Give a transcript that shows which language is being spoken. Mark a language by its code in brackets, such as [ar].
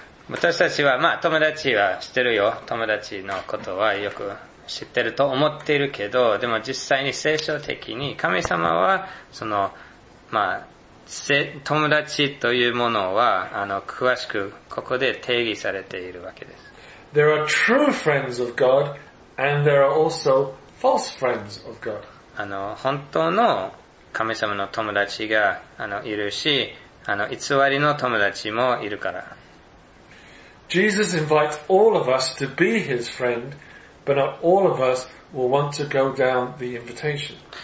[ja] 私たちは友達は知ってるよ。友達のことはよく知ってると思っているけど、でも実際に聖書的に神様はその友達というものは詳しくここで定義されているわけです。 [en] There are true friends of God, and there are also false friends of God. [ja] 本当の神様の友達がいるし、偽りの友達もいるから。 [en] Jesus invites all of us to be his friend. But not all of us will want to go down the invitation.